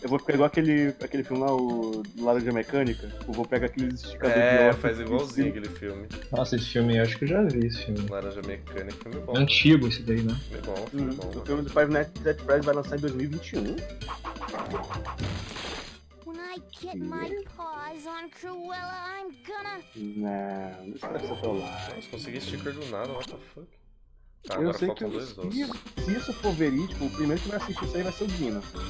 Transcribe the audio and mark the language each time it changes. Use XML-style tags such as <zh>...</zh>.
<pt>Eu vou ficar igual aquele filme lá, o Laranja Mecânica. Eu vou pegar aqueles esticadores de óculos. É, faz igualzinho aquele filme. Nossa, esse filme eu acho que eu já vi esse filme. Laranja Mecânica, filme bom. É antigo esse daí, né? Filme bom, filme bom. O filme do Five Nights at Freddy's vai lançar em 2021.</pt> <en>I get my paws on Cruella, I'm gonna...</en> <pt>Nossa, consegui sticker do nada,</pt> <en>what the fuck?</en> <pt>Tá, eu sei que se isso for verídico, o primeiro que vai assistir isso aí vai ser o Dino.</pt>